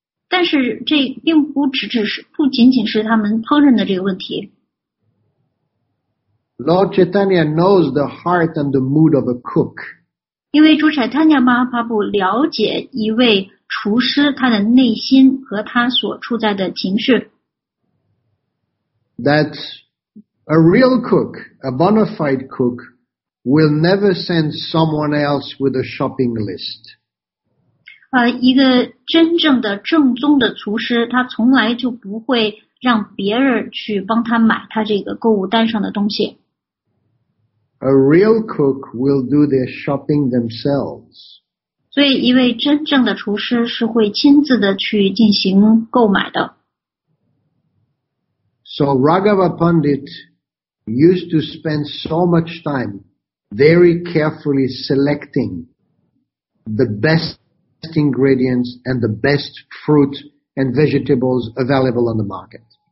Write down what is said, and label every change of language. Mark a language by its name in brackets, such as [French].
[Chinese] 但是这并不仅仅是他们烹饪的这个问题。 [English] Lord Chaitanya knows the heart and the mood of a cook. [Chinese] 因为主 Chaitanya Mahaprabhu 了解一位厨师他的内心和他所处在的情绪。 [English] That a real cook, a bona fide cook, will never send someone else with a shopping list. [Chinese] 一个真正的正宗的厨师，他从来就不会让别人去帮他买他这个购物单上的东西。 [English] A real cook will do their shopping themselves. [Chinese] 所以一位真正的厨师是会亲自的去进行购买的。 [English] So Raghava Pandit used to spend so much time very carefully selecting the best ingredients and the best fruit and vegetables available on the market.